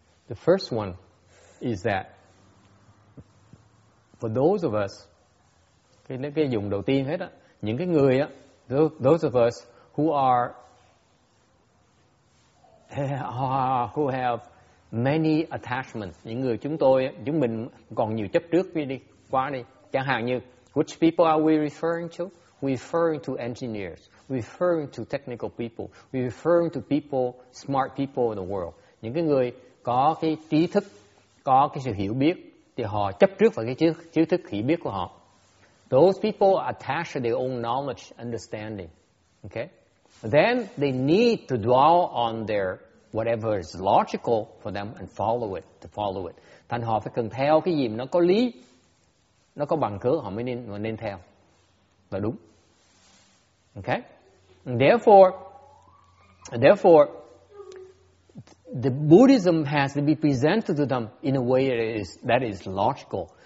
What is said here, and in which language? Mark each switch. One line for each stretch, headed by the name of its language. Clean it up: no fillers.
English: The first one is that for those of us,
Vietnamese: cái dùng đầu tiên hết á, những cái người á,
English: those of us who have many attachments,
Vietnamese: những người chúng tôi, chúng mình còn nhiều chấp trước đi qua, chẳng hạn như
English: which people are we referring to? Referring to engineers, referring to technical people, referring to people, smart people in the world.
Vietnamese: Những cái người có cái trí thức, có cái sự hiểu biết, thì họ chấp trước vào cái trí thức hiểu biết của họ.
English: Those people attach their own knowledge, understanding. Okay? Then they need to dwell on their whatever is logical for them and follow it.
Vietnamese: Thành họ phải cần theo cái gì mà nó có lý. Nó có bằng cớ họ mới nên theo. Là đúng. Okay?
English: Therefore the Buddhism has to be presented to them in a way that is logical.